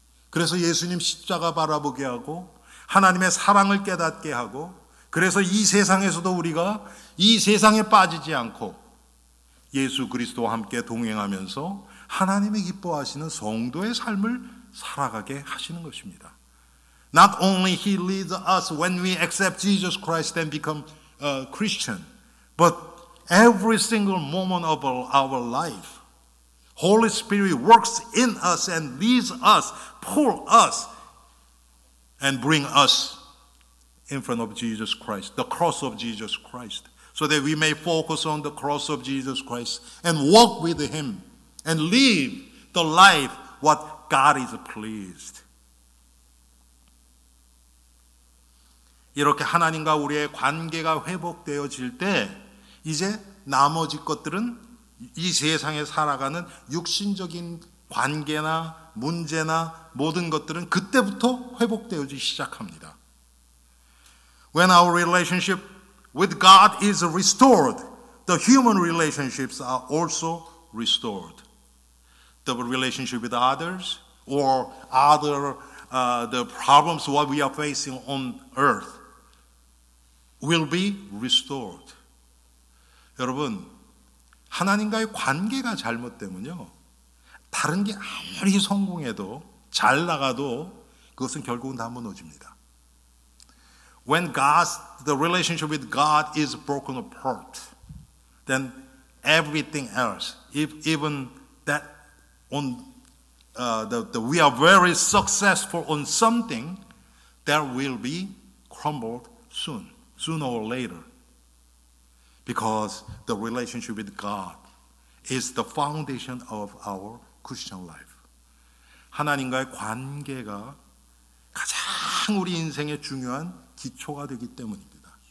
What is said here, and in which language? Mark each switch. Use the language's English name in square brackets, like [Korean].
[Korean] 그래서 예수님 십자가 바라보게 하고 하나님의 사랑을 깨닫게 하고 그래서 이 세상에서도 우리가 이 세상에 빠지지 않고 예수 그리스도와 함께 동행하면서 하나님이 기뻐하시는 성도의 삶을 살아가게 하시는 것입니다. [English] Not only he leads us when we accept Jesus Christ and become a Christian, but every single moment of our life, Holy Spirit works in us and leads us, pull us, and bring us in front of Jesus Christ, the cross of Jesus Christ, so that we may focus on the cross of Jesus Christ and walk with him and live the life what God is pleased. [Korean] 이렇게 하나님과 우리의 관계가 회복되어질 때 이제 나머지 것들은 이 세상에 살아가는 육신적인 관계나 문제나 모든 것들은 그때부터 회복되어지기 시작합니다. [English] When our relationship with God is restored, the human relationships are also restored. The relationship with others or other the problems what we are facing on earth will be restored. [Korean] 여러분, 하나님과의 관계가 잘못되면요, 다른 게 아무리 성공해도 잘 나가도 그것은 결국은 다 무너집니다. [English] When God's the relationship with God is broken apart, then everything else, if even that on we are very successful on something, that will be crumbled soon, sooner or later. Because the relationship with God is the foundation of our Christian life. [Korean] 하나님과의 관계가 가장 우리 인생의 중요한 기초가 되기 때문입니다.